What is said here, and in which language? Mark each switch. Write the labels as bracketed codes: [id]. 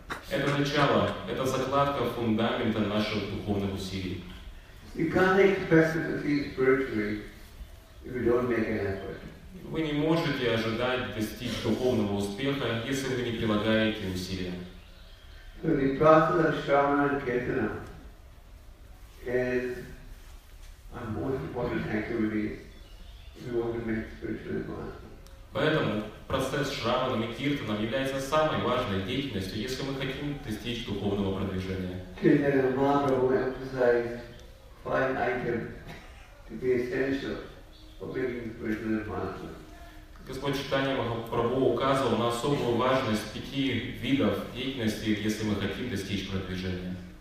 [ru] Это начало, это закладка фундамента наших духовных усилий. Вы не можете ожидать достичь духовного успеха, если вы не прилагаете усилия. [en] So the process of Shravana and Kirtana is a most important activity if you want to make spiritual advancement. [ru] Поэтому процесс Шравана и Киртана является самой важной деятельностью, если мы хотим достичь духовного продвижения. [en] Kirtana Mahaprabhu emphasized five items to be essential for making spiritual advancement. [ru] Господь Чайтанья Махапрабху указывал на особую важность пяти видов деятельности, если мы хотим достичь продвижения.